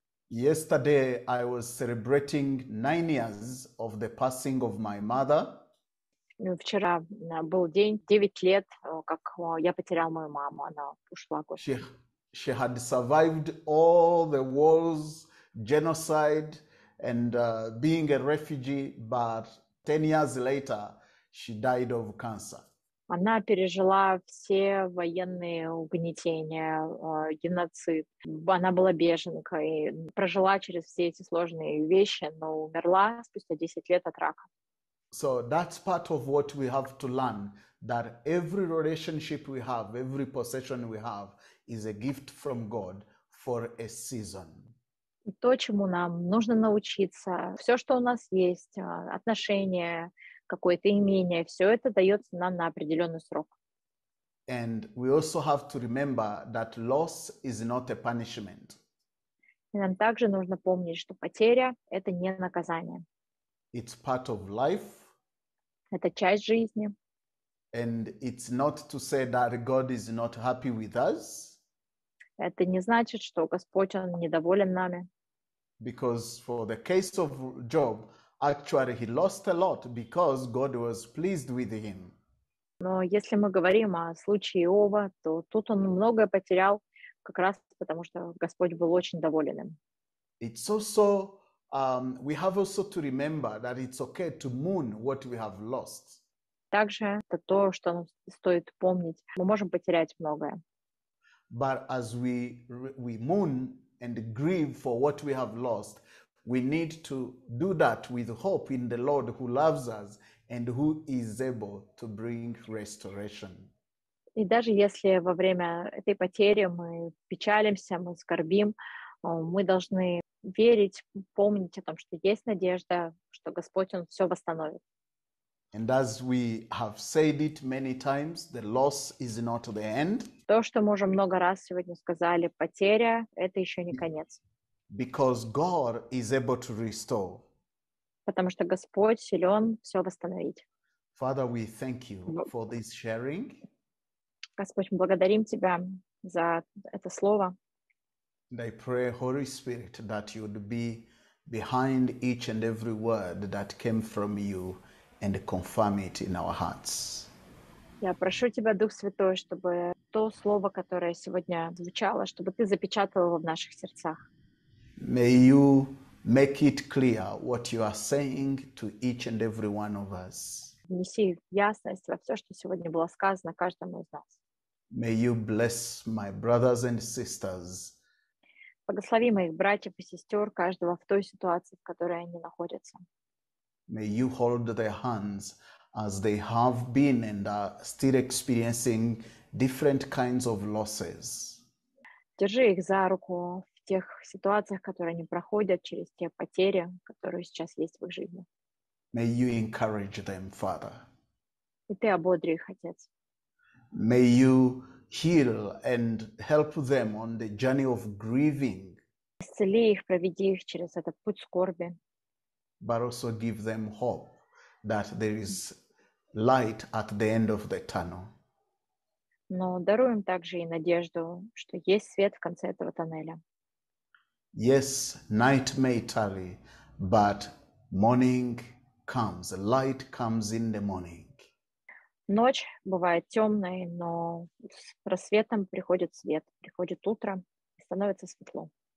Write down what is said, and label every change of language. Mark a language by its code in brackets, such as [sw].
[en] Yesterday I was celebrating 9 years of the passing of my mother. [ru] Вчера был день, 9 лет, как я потерял мою маму, она ушла. [en] She had survived all the wars, genocide, and being a refugee, but 10 years later, she died of cancer. [ru] Она пережила все военные угнетения, геноцид. Она была беженкой, прожила через все эти сложные вещи, но умерла спустя 10 лет от рака. [en] So that's part of what we have to learn, that every relationship we have, every possession we have is a gift from God for a season. [ru] То, чему нам нужно научиться, все, что у нас есть, отношения, какое-то имение, все это дается нам на определенный срок. [en] And we also have to remember that loss is not a punishment. [ru] И нам также нужно помнить, что потеря — это не наказание. [en] It's part of life. [ru] Это часть жизни. [en] And it's not to say that God is not happy with us. [ru] Это не значит, что Господь, Он недоволен нами. [en] Because for the case of Job, actually he lost a lot because God was pleased with him. [ru] Но если мы говорим о случае Иова, то тут он многое потерял, как раз потому что Господь был очень доволен им. [en] It's also, we have also to remember that it's okay to mourn what we have lost. [ru] Также это то, что стоит помнить. Мы можем потерять многое. [en] But as we mourn and grieve for what we have lost, we need to do that with hope in the Lord who loves us and who is able to bring restoration. [ru] И даже если во время этой потери мы печалимся, мы скорбим, мы должны верить, помнить о том, что есть надежда, что Господь, Он все восстановит. [en] And as we have said it many times, the loss is not the end. [ru] То, что мы уже много раз сегодня сказали, потеря — это еще не конец. [en] Because God is able to restore. [ru] Потому что Господь силен все восстановить. [en] Father, we thank you for this sharing. [ru] Господь, мы благодарим Тебя за это слово. [en] And I pray, Holy Spirit, that you would be behind each and every word that came from you and confirm it in our hearts. [ru] Я прошу Тебя, Дух Святой, чтобы то слово, которое сегодня звучало, чтобы Ты запечатал его в наших сердцах. [en] May you make it clear what you are saying to each and every one of us. [ru] Внеси ясность во все, что сегодня было сказано каждому из нас. [en] May you bless my brothers and sisters. [ru] Благослови моих братьев и сестер, каждого в той ситуации, в которой они находятся. [en] May you hold their hands as they have been and are still experiencing different kinds of losses. [ru] Держи их за руку в тех ситуациях, которые они проходят, через те потери, которые сейчас есть в их жизни. [en] May you encourage them, Father. [ru] И ты ободри их, Отец. [en] May you heal and help them on the journey of grieving. [ru] Исцели их, проведи их через этот путь скорби. [en] But also give them hope that there is light at the end of the tunnel. [ru] Но даруем также и надежду, что есть свет в конце этого тоннеля. [en] Yes, night may tarry, but morning comes. Light comes in the morning. [ru] Ночь бывает темной, но с рассветом приходит свет, приходит утро, становится светло.